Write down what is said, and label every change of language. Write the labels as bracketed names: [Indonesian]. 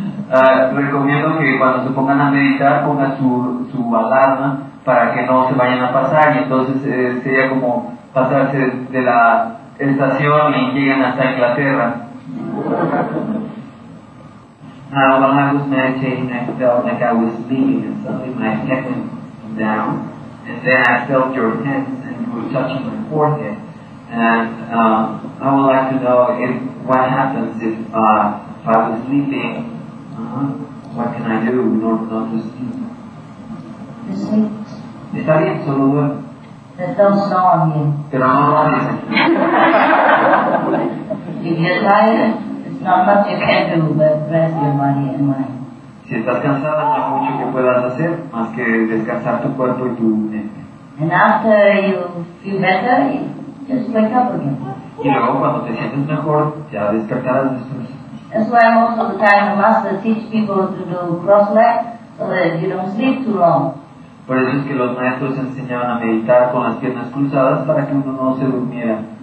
[Spanish] Recomiendo que cuando se pongan a meditar pongan su alarma para que no se vayan a pasar, y entonces sería como pasarse de la estación y lleguen hasta Inglaterra. [English] Now, when I was meditating, I felt like I was leaving, and suddenly my head went down, and then I felt your hands, and you were touching my forehead, and I would like to know if what happens if I was sleeping. What can I do in order not to sleep? You [Spanish] sleep. Está bien, solo duerme. [English] It don't snow on you. [Spanish] Pero no lo dice. [English] You get tired. Not much you can do, but rest your body and mind. [Spanish] Si estás cansada, no hay mucho que puedas hacer más que descansar tu cuerpo y tu mente. [English] And after you feel better, you just wake up again. [Spanish] Y luego cuando te sientes mejor, ya despertarás después. [English] That's why most of the time masters teach people to do cross leg so that you don't sleep too long. [Spanish] Por eso es que los maestros enseñaban a meditar con las piernas cruzadas para que uno no se durmiera.